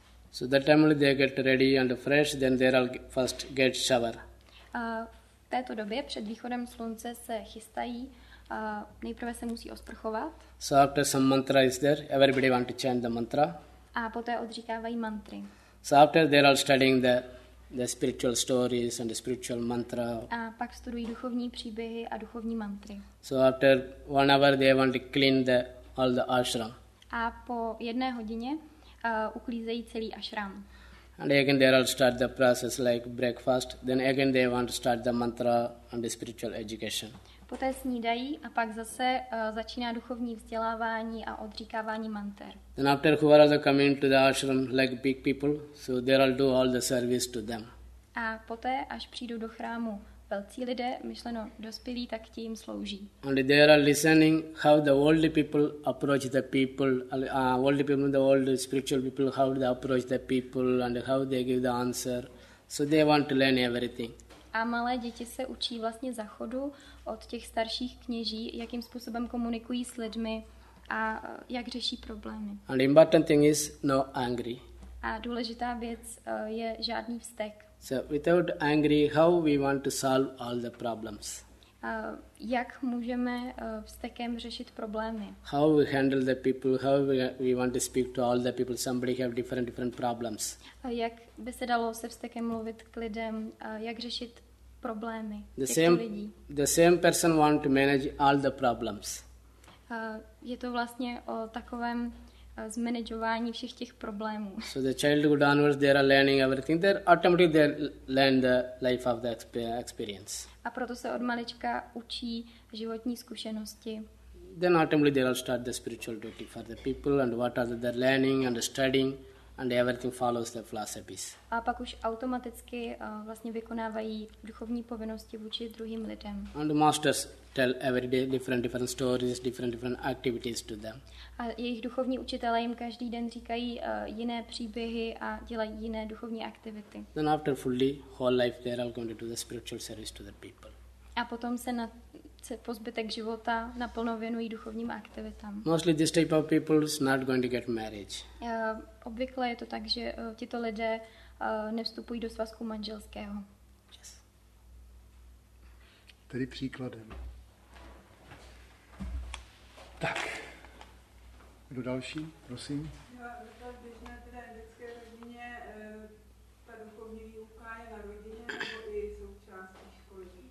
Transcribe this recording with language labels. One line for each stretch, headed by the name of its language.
English: So that time they get ready and fresh, then they all first get shower.
Czech: V této době před východem slunce se chystají, nejprve se musí osprchovat.
English: So after some mantra is there, everybody want to chant the mantra.
Czech: A poté odříkávají mantry.
English: So after they are all studying the the spiritual stories and the spiritual mantra.
Czech: A pak studují duchovní příběhy a duchovní mantry.
English: So after 1 hour they want to clean the all the ashram.
Czech: A po jedné hodině uklízejí celý ashram.
English: And again they all start the process like breakfast, then again they want to start the mantra and the spiritual education.
Czech: Poté snídají a pak zase začíná duchovní vzdělávání a odříkávání mantr.
English: Then after whoever they come into the ashram like big people, so they all do all the service to them.
Czech: A poté až přijdou do chrámu velcí lidé, myšleno dospělí, tak ti jim slouží.
English: And they are listening how the old people approach the people, old people, the old spiritual people, how they approach the people and how they give the answer. So they want to learn everything.
Czech: A malé děti se učí vlastně za chodu od těch starších kněží, jakým způsobem komunikují s lidmi a jak řeší problémy.
English: And important thing is no angry.
Czech: A důležitá věc je žádný vztek.
English: So without angry, how we want to solve all the problems?
Czech: Jak můžeme vztekem řešit problémy?
English: How we handle the people? How we want to speak to all the people? Somebody have different problems.
Czech: Jak by se dalo se vztekem mluvit k lidem? Jak řešit problémy
English: the same
Czech: lidí?
English: The same person want to manage all the problems.
Czech: Je to vlastně o takovém zmanageování všech těch problémů.
English: So the childhood onwards they are learning everything. They automatically they learn the life of the experience.
Czech: A proto se od malička učí životní zkušenosti.
English: Then automatically they all start the spiritual duty for the people and what are they learning and studying and everything follows their philosophies.
Czech: A pak už automaticky vlastně vykonávají duchovní povinnosti vůči druhým lidem.
English: And the masters tell every day different stories, different activities to them.
Czech: A jejich duchovní učitelé jim každý den říkají jiné příběhy a dělají jiné duchovní aktivity.
English: Then after fully whole life they are all going to do the spiritual service to the people.
Czech: A potom se na se po zbytek života naplno věnují duchovním aktivitám.
English: Mostly this type of people is not going to get married.
Czech: Obvykle je to tak, že tito lidé nevstupují do svazku manželského.
English: Yes.
Czech: Tedy příkladem. Tak, kdo další, prosím. Jo, v běžné teda indické rodině ta duchovní výuka je na rodině nebo i součástí školy?